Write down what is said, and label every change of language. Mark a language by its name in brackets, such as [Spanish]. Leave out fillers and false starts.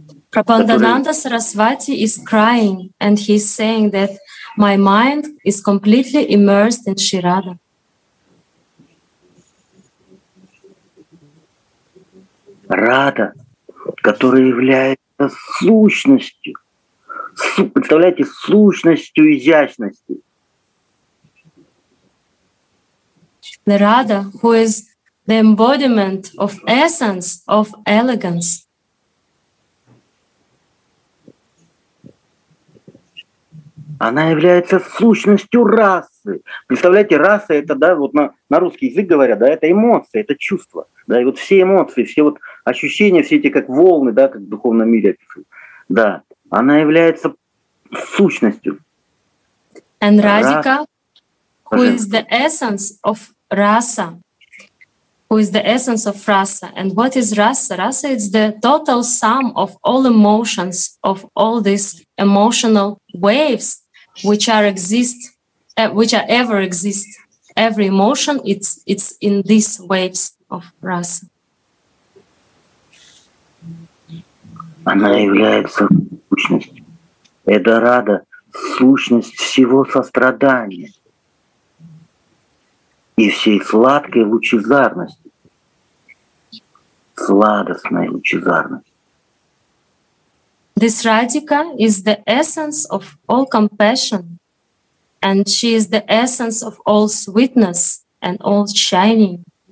[English] Прабхатхананда Сарасвати is crying and he is saying that my mind is completely immersed in Sri Radha. [Russian] Рада, которая является сущностью, представляете, сущностью изящности. [English] The Radha, who is the embodiment of essence of elegance. [Russian] Она является сущностью расы. Представляете, раса это, да, вот на русский язык говорят, да, это эмоции, это чувства. Да, и вот все эмоции, все вот ощущения, все эти как волны, да, как в духовном мире. Да, она является сущностью. [English] And Radhika, who is the essence of rasa, who is the essence of rasa. And what is rasa? Rasa is the total sum of all emotions, of all these emotional waves, which are exist, which are ever exist. Every emotion, it's in these waves of rasa. [Russian] Она является сущностью. Это Рада, сущность всего сострадания и всей сладкой лучезарности. Сладостной лучезарности. [English] This Radhika is the essence of all compassion, and she is the essence of all sweetness and all shining.